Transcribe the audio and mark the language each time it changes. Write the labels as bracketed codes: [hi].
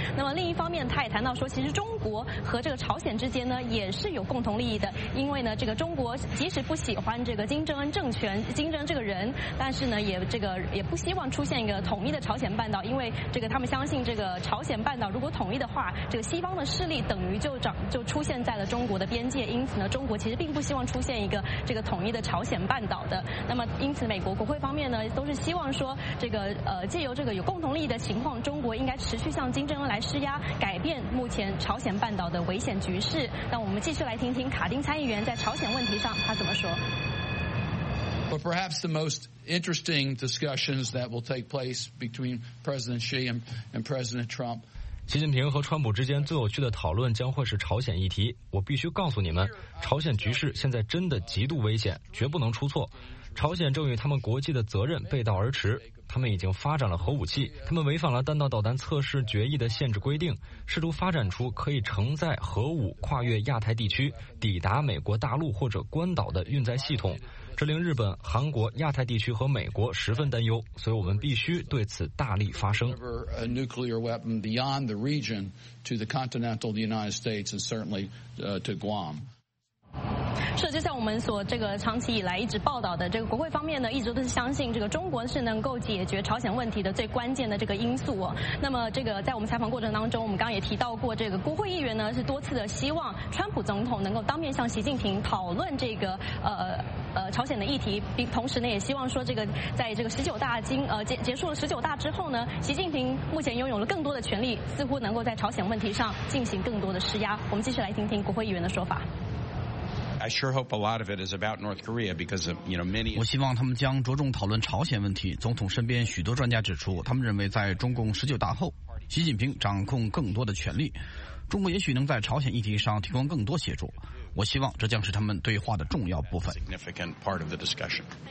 [zh] 那么另一方面，他也谈到说，其实中国和这个朝鲜之间呢也是有共同利益的，因为呢这个中国即使不喜欢这个金正恩政权、金正恩这个人，但是呢也这个也不希望出现一个统一的朝鲜半岛，因为这个他们相信这个朝鲜半岛如果统一的话，这个西方的势力等于就出现在了中国的边界，因此呢中国其实并不希望出现一个这个统一的朝鲜半岛的。那么因此美国国会方面呢都是希望说这个借由这个有共同利益的情况，中国应该持续向金正恩来施压，改变目前朝鲜半岛的危险局势。那我们继续来听听卡丁参议员在朝鲜问题上他怎么说。 [en] But perhaps the most interesting discussions that will take place between President Xi and President Trump. [zh] 习近平和川普之间最有趣的讨论将会是朝鲜议题。我必须告诉你们，朝鲜局势现在真的极度危险，绝不能出错。朝鲜正与他们国际的责任背道而驰，他们已经发展了核武器，他们违反了弹道导弹测试决议的限制规定，试图发展出可以承载核武跨越亚太地区抵达美国大陆或者关岛的运载系统，这令日本、韩国、亚太地区和美国十分担忧，所以我们必须对此大力发声。 [en] Nuclear weapon beyond the region to the continental United States and certainly to Guam. [zh] 是，就像我们所这个长期以来一直报道的，这个国会方面呢，一直都是相信这个中国是能够解决朝鲜问题的最关键的这个因素。那么，这个在我们采访过程当中，我们刚刚也提到过，这个国会议员呢是多次的希望川普总统能够当面向习近平讨论这个朝鲜的议题，并同时呢也希望说这个在这个十九大结束了十九大之后呢，习近平目前拥有了更多的权力，似乎能够在朝鲜问题上进行更多的施压。我们继续来听听国会议员的说法。 [en] I sure hope a lot of it is about North Korea because of, you know, many. [zh] 我希望他们将着重讨论朝鲜问题。总统身边许多专家指出，他们认为在中共十九大后，习近平掌控更多的权力，中国也许能在朝鲜议题上提供更多协助。我希望这将是他们对话的重要部分。 [en] Significant part of the discussion.